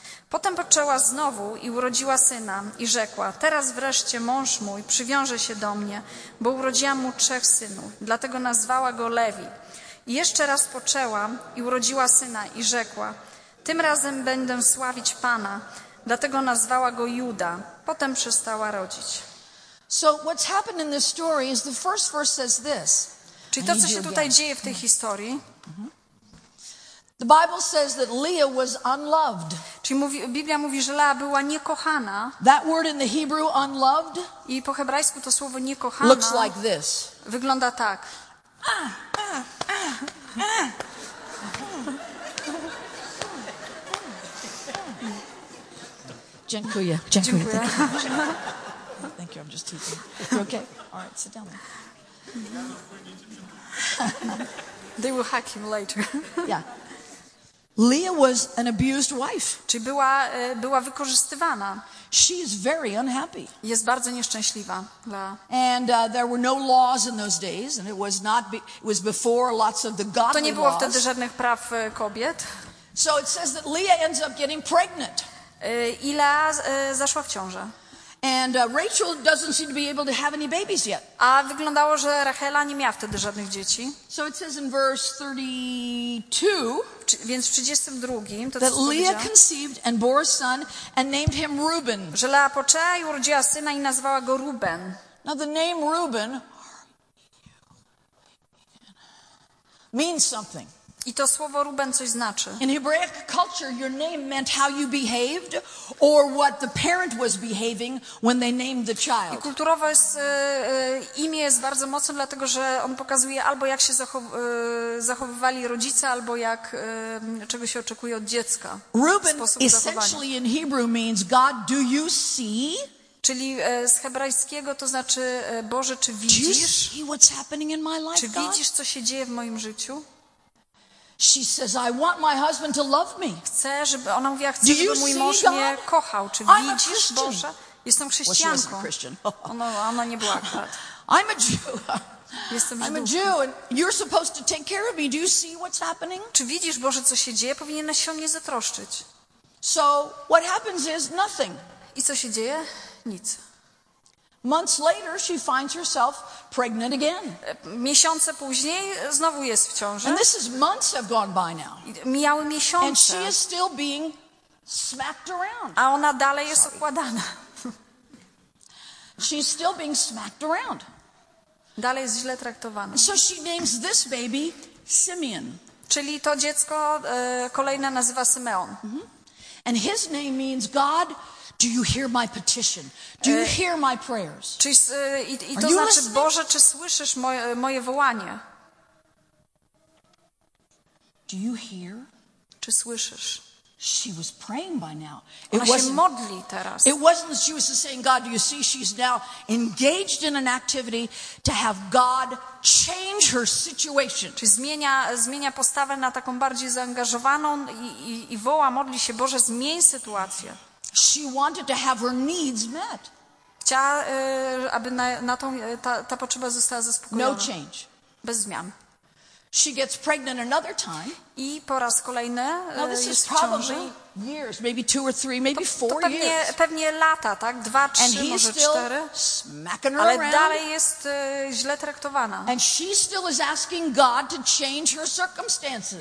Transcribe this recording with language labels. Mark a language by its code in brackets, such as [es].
[pl] Potem poczęła znowu i urodziła syna i rzekła, teraz wreszcie mąż mój przywiąże się do mnie, bo urodziłam mu trzech synów, dlatego nazwała go Lewi. I jeszcze raz poczęła i urodziła syna i rzekła, tym razem będę sławić Pana, dlatego nazwała go Juda. Potem przestała rodzić. [en] So what's happened in this story is the first verse says this. [pl] Czyli to, co się tutaj dzieje w tej historii. [en] The Bible says that Leah was unloved. [pl] Czyli mówi, Biblia mówi, że Lea była niekochana. [en] That word in the Hebrew, unloved, [pl] i po hebrajsku to słowo niekochana [en] looks like this. [pl] Wygląda tak. Dziękuję. Dziękuję. [en] Thank you. I'm just teasing. You're okay. All right, sit down. They will hack him later. Yeah. Leah was an abused wife. [pl] Czy była wykorzystywana? [en] She is very unhappy. [pl] Jest bardzo nieszczęśliwa. [en] And there were no laws in those days, and it was not it was before lots of the godly laws. [pl] To nie było wtedy żadnych praw kobiet. [en] So it says that Leah ends up getting pregnant. [pl] I Lea zaszła w ciążę. [en] And Rachel doesn't seem to be able to have any babies yet. [pl] A wyglądało, że Rachela nie miała wtedy żadnych dzieci. [en] So it says in verse 32, [pl] więc w 32, to [en] that Leah conceived and bore a son and named him Reuben. [pl] Że Lea poczęła i urodziła syna i nazwała go Reuben. [en] Now the name Reuben means something. [pl] I to słowo Ruben coś znaczy. [en] In Hebraic culture, your name meant how you behaved or what the parent was behaving when they named the child. [pl] I kulturowo jest, imię jest bardzo mocne, dlatego że on pokazuje albo jak się zachowywali rodzice, albo jak czego się oczekuje od dziecka. [en] Ruben essentially in Hebrew means God, do you see? [pl] Czyli z hebrajskiego to znaczy, Boże, czy widzisz? [en] Do you see what's happening in my life, [pl] czy widzisz, co się dzieje w moim życiu? [en] She says, "I want my husband to love me." [pl] Chcę, żeby ona mówiła, chcę, żeby mój mąż [en] God? [pl] Mnie kochał. Czy widzisz, Boże? Jestem chrześcijanką. [en] Well, she wasn't a Christian. [pl] ona nie była akurat. [en] I'm a Jew. [pl] Jestem [en] I'm a Jew, and you're supposed to take care of me. Do you see what's happening? [pl] Czy widzisz, Boże, co się dzieje? Powinieneś się o mnie zatroszczyć. [en] So what happens is nothing. [pl] I co się dzieje? Nic. [en] Months later, she finds herself pregnant again. [pl] Miesiące później znowu jest w ciąży. [en] And this is months have gone by now. [pl] Mijały miesiące. [en] And she is still being smacked around. [pl] A ona dalej jest okładana. [en] She's still being smacked around. [pl] Dalej jest źle traktowana. [en] So she names this baby Simeon. [pl] Czyli to dziecko kolejne nazywa Symeon. [en] And his name means God. Do you hear my petition? Do you hear my prayers? [pl] I to znaczy, [en] listening? [pl] Boże, czy słyszysz moje wołanie? [en] Do you hear? [pl] Czy słyszysz? [en] She was praying by now. [pl] It ona się modli teraz. [en] It wasn't that she was saying, God, do you see? She's now engaged in an activity to have God change her situation. [pl] Czy zmienia postawę na taką bardziej zaangażowaną i woła, modli się, Boże, zmień sytuację. [en] She wanted to have her needs met. [pl] Chciała, aby na tą ta potrzeba została zaspokojona. [en] No change. [pl] Bez zmian. [en] She gets pregnant another time. [pl] I po raz kolejny [en] now this [pl] jest [en] is probably years, maybe two or three, maybe [pl] to, [en] four [pl] to pewnie, [en] years. [pl] Pewnie lata, tak? Dwa, trzy, [en] and he's [pl] może [en] still [pl] cztery. [en] Smacking her [pl] ale [en] around. [pl] Dalej jest źle traktowana. [en] And she still is asking God to change her circumstances.